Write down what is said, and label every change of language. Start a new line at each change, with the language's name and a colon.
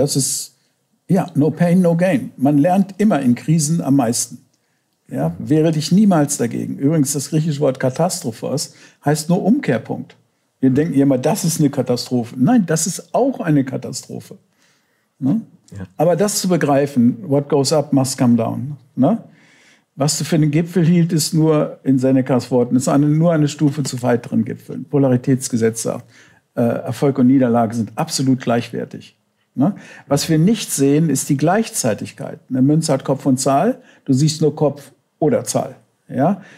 German: Ja, das ist... Ja,
English: no pain, no gain.
German: Man lernt immer in Krisen am meisten. Ja, wehre dich niemals dagegen. Übrigens, das griechische Wort Katastrophos heißt nur Umkehrpunkt. Wir denken immer, das ist eine Katastrophe. Nein, das ist auch eine Katastrophe. Ne? Ja. Aber das zu begreifen,
English: what goes up must come down.
German: Ne? Was du für den Gipfel hielt, ist nur, in Senecas Worten, ist nur eine Stufe zu weiteren Gipfeln. Polaritätsgesetz sagt, Erfolg und Niederlage sind absolut gleichwertig. Ne? Was wir nicht sehen, ist die Gleichzeitigkeit. Eine Münze hat Kopf und Zahl, du siehst nur Kopf oder Zahl. Ja?